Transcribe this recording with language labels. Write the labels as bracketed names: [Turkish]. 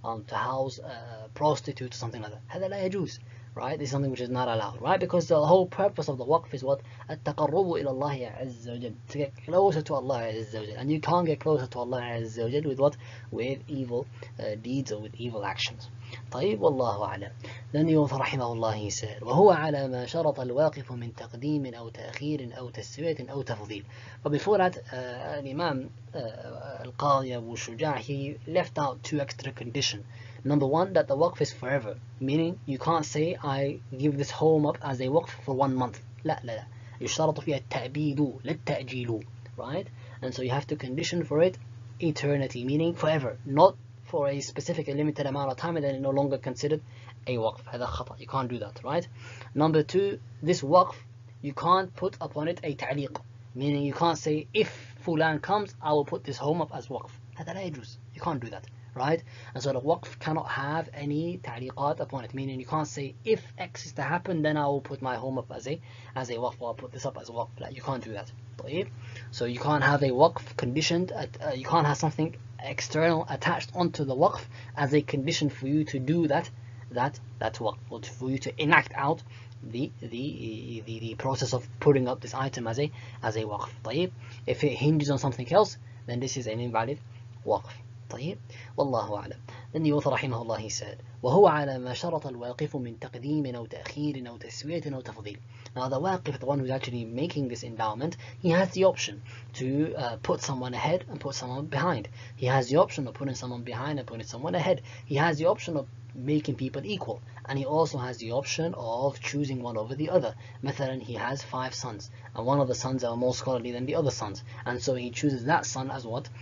[English] To house a prostitute or something like that. [Arabic] هذا لا يجوز. [English] Right, this is something which is not allowed, right? Because the whole purpose of the waqf is what? At-taqarrubu ila Allah azza wa jal. To get closer to Allah azza wa jal. And you can't get closer to Allah azza wa jal with what? With evil deeds or with evil actions. [Arabic] طيب والله أعلم. [English] Then the author [Arabic] رحمه الله [English] he said, [Arabic] وَهُوَ عَلَى مَا شَرَطَ الْوَاقِفُ مِنْ تَقْدِيمٍ أَوْ تَأْخِيرٍ أَوْ تَسْوِيَةٍ أَوْ تَفْضِيلٍ. [English] But before that, Imam Al-Qadhi Abu Shuja, he left out two extra conditions. Number one, that the waqf is forever. Meaning, you can't say, I give this home up as a waqf for 1 month. [Arabic] لا لا لا. يشترط فيها التأبيد للتأجيل. [English] Right? And so you have to condition for it eternity. Meaning, forever. Not for a specific a limited amount of time and then it's no longer considered a waqf. [Arabic] هذا خطأ. [English] You can't do that. Right? Number two, this waqf, you can't put upon it a تعليق. Meaning, you can't say, if fulan comes, I will put this home up as waqf. [Arabic] هذا لا يجوز. [English] You can't do that. Right? And so the waqf cannot have any ta'liqat upon it. Meaning you can't say, if X is to happen, then I will put my home up as a waqf, or I'll put this up as a waqf. Like, you can't do that. So you can't have a waqf conditioned, you can't have something external attached onto the waqf as a condition for you to do that waqf, or for you to enact out the process of putting up this item as a waqf. If it hinges on something else, then this is an invalid waqf. [Arabic] طيب والله أعلم. [English] Then the author [Arabic] رحمه الله [English] he said, [Arabic] وهو على ما شرط الواقف من تقديم أو تأخير أو تسوية أو تفضيل. [English] Now the واقف, the one who's actually making this endowment, he has the option to put someone ahead and put someone behind. He has the option of putting someone behind and putting someone ahead. He has the option of making people equal, and he also has the option of choosing one over the other. مثلا he has 5 sons and one of the sons are more scholarly than the other sons, and so he chooses that son as what?